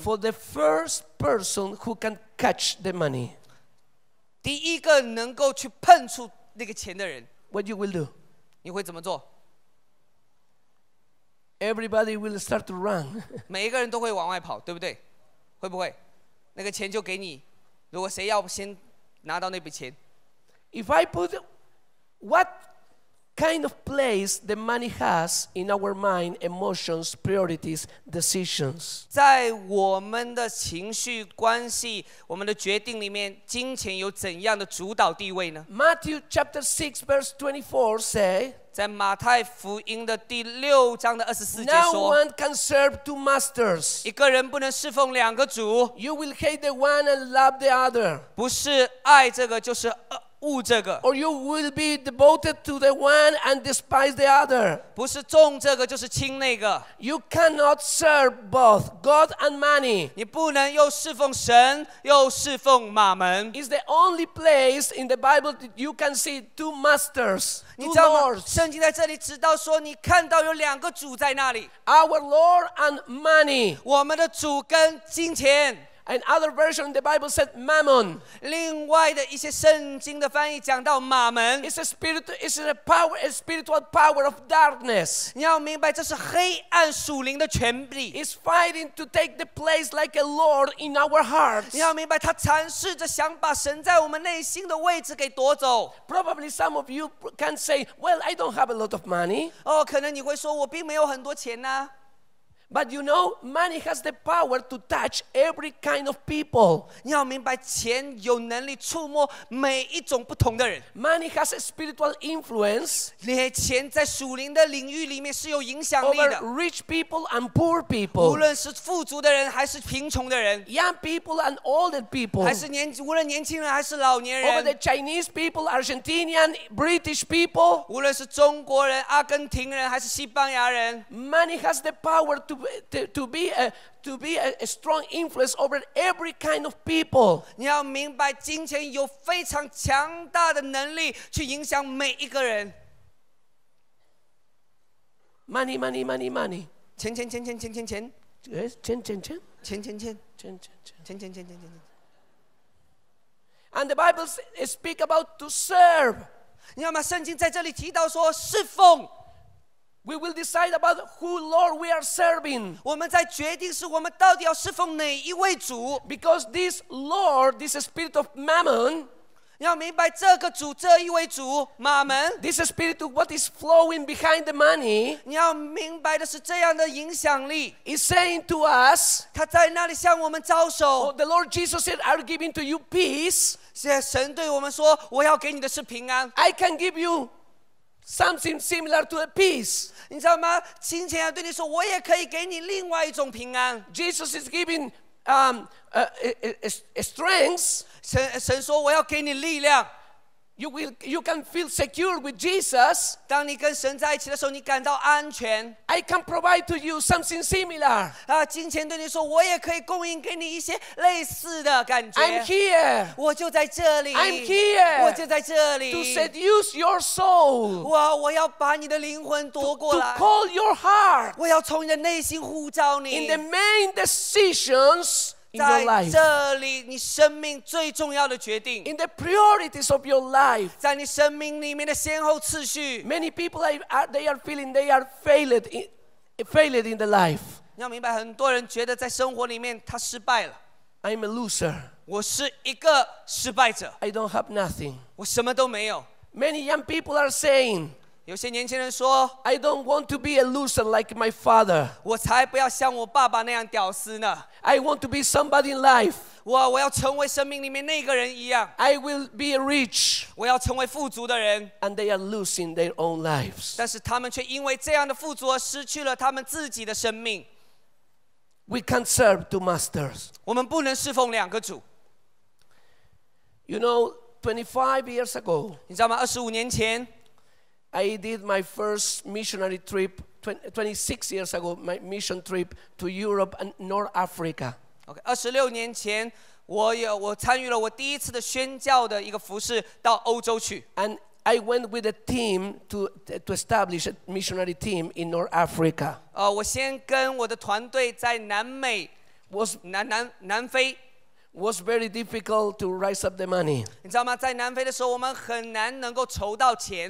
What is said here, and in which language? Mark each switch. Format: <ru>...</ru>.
<en>for the first person who can catch the money.</en> <zh>第一个能够去碰触那个钱的人，</zh> <en>What you will do?</en> <zh>你会怎么做？</zh> <en>Everybody will start to run.</en> <zh>每一个人都会往外跑，对不对？会不会？那个钱就给你。如果谁要先拿到那笔钱，</zh> <en>If I put what kind of place the money has in our mind, emotions, priorities, decisions.</en> <zh>在我们的情绪关系，我们的决定里面，金钱有怎样的主导地位呢？</zh> <en>Matthew chapter 6 verse 24 say,</en> <zh>在马太福音的第六章的二十四节说</zh> <en>No one can serve two masters.</en> <zh>一个人不能侍奉两个主</zh> <en>You will hate the one and love the other.</en> <zh>不是爱这个就是恶这个</zh> <en>Or you will be devoted to the one and despise the other.</en> <zh>不是重这个就是轻那个</zh> <en>You cannot serve both God and money.</en> <zh>你不能又侍奉神又侍奉马门</zh> <en>It's the only place in the Bible that you can see two masters.</en> <zh>你知道吗？圣经在这里指到说，你看到有两个主在那里。</zh> <en>Our Lord and money，</en> <zh>我们的主跟金钱。</zh> <en>And other version in the Bible said Mammon.</en> <zh>另外的一些圣经的翻译讲到马门。</zh> <en>It's a spirit. It's a power. A spiritual power of darkness.</en> <zh>你要明白，这是黑暗属灵的权柄。</zh> <en>It's fighting to take the place like a lord in our hearts.</en> <zh>你要明白，他尝试着想把神在我们内心的位置给夺走。</zh> <en>Probably some of you can say, "Well, I don't have a lot of money."</en> <zh>哦，可能你会说，我并没有很多钱呐。</zh> <en>But you know, money has the power to touch every kind of people.</en> <zh>你要明白，钱有能力触摸每一种不同的人。</zh> <en>Money has a spiritual influence.</en> <zh>你的钱在属灵的领域里面是有影响力的。</zh> <en>Over rich people and poor people.</en> <zh>无论是富足的人还是贫穷的人。</zh> <en>Young people and older people.</en> <zh>还是年无论年轻人还是老年人。</zh> <en>Over the Chinese people, Argentinian, British people.</en> <zh>无论是中国人、阿根廷人还是西班牙人。</zh> <en>Money has the power to be a strong influence over every kind of people.</en> <zh>你要明白，金钱有非常强大的能力去影响每一个人。</zh> <en>Money, money, money, money.</en> <zh>钱钱钱钱钱钱钱。哎，钱钱钱。钱钱钱。钱钱钱。钱钱钱钱钱。</zh> <en>And the Bible speak about to serve.</en> <zh>你看嘛，圣经在这里提到说侍奉。</zh> <en>We will decide about who Lord we are serving.</en> <zh>我们在决定是我们到底要侍奉哪一位主。</zh> <en>Because this Lord, this spirit of Mammon,</en> <zh>你要明白这个主这一位主马门。</zh> <en>This spirit of what is flowing behind the money,</en> <zh>你要明白的是这样的影响力。</zh> <en>Is saying to us,</en> <zh>他在那里向我们招手。</zh> <en>The Lord Jesus said, "I'll give into you peace."</en> <zh>现在神对我们说，我要给你的是平安。</zh> <en>I can give you. Something similar to a peace.</en> <zh>你知道吗？金钱要对你说，我也可以给你另外一种平安。</zh> <en>Jesus is giving strength.</en> <zh>神说我要给你力量。</zh> <en>You can feel secure with Jesus.</en> <zh>当你跟神在一起的时候，你感到安全。</zh> <en>I can provide to you something similar.</en> <zh>金钱对你说，我也可以供应给你一些类似的感觉。</zh> <en>I'm here.</en> <zh>我就在这里。</zh> <en>I'm here.</en> <zh>我就在这里。</zh> <en>To seduce your soul.</en> <zh>我要把你的灵魂夺过来。</zh> <en>To call your heart.</en> <zh>我要从你的内心呼召你。</zh> <en>In the main decisions.</en> <zh>在这里，你生命最重要的决定。</zh> <en>In the priorities of your life，</en> <zh>在你生命里面的先后次序。</zh> <en>Many people are feeling they are failed in the life。</en> <zh>你要明白，很多人觉得在生活里面他失败了。</zh> <en>I'm a loser。</en> <zh>我是一个失败者。</zh> <en>I don't have nothing。</en> <zh>我什么都没有。</zh> <en>Many young people are saying。</en> <zh>有些年轻人说</zh> <en>I don't want to be a loser like my father.</en> <zh>我才不要像我爸爸那样屌丝呢。</zh> <en>I want to be somebody in life.</en> <zh>我要成为生命里面那个人一样。</zh> <en>I will be rich.</en> <zh>我要成为富足的人。</zh> <en>And they are losing their own lives.</en> <zh>但是他们却因为这样的富足而失去了他们自己的生命。</zh> <en>We can't serve two masters.</en> <zh>我们不能侍奉两个主。</zh> <en>You know, 25 years ago,</en> <zh>你知道吗？二十五年前</zh> <en>I did my first missionary trip 26 years ago, my mission trip to Europe and North Africa.</en> <zh>Okay, 26年前我参与了我第一次的宣教的一个服事到欧洲去。</zh> <en>And I went with a team to establish a missionary team in North Africa.</en> <zh>我先跟我的团队在南美 南非</zh> <en>was very difficult to raise up the money.</en> <zh>你知道吗？在南非的时候，我们很难能够筹到钱。</zh>